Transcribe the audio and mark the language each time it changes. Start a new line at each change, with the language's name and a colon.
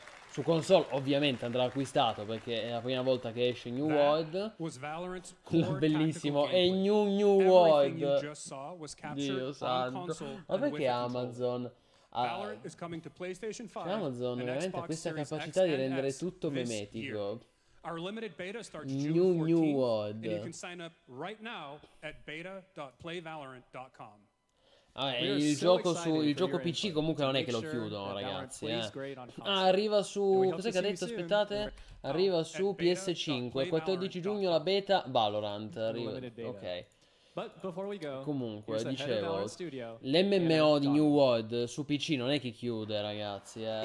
Italian: Su console ovviamente andrà acquistato, perché è la prima volta che esce New World. Bellissimo, è New World. Dio santo. Ma perché Amazon Amazon ovviamente ha questa capacità di rendere tutto memetico.
English: Our limited beta starts June 14th, and you can sign up right now at beta.playvalorant.com.
Italian: Il gioco PC comunque non è che lo chiudono, ragazzi. Arriva su, cos'è che ha detto? Aspettate, arriva su PS5, 14 giugno la beta Valorant. Arriva. Ok. Comunque, dicevo, l'MMO di New World su PC non è che chiude, ragazzi.